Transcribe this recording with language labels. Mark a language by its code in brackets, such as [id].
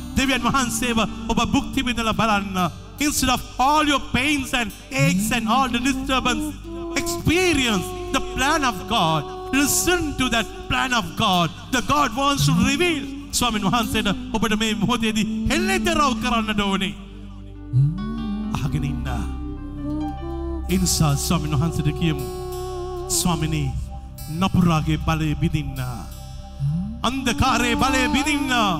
[si] දෙවියන් වහන්සේව ඔබ භුක්ති විඳලා බලන්න. [en] Instead of all your pains and aches and all the disturbance, experience the plan of God. Listen to that plan of God. The God wants to reveal. [si] ස්වාමීන් වහන්සේට ඔබට මේ මොහොතේදී හෙළිදරව් කරන්නට ඕනේ. අහගෙන ඉන්න. ඉන්සා ස්වාමීන් වහන්සේට කියමු. ස්වාමීනි, නපුරාගේ බලය බිඳින්න. අන්ධකාරයේ බලය බිඳින්න.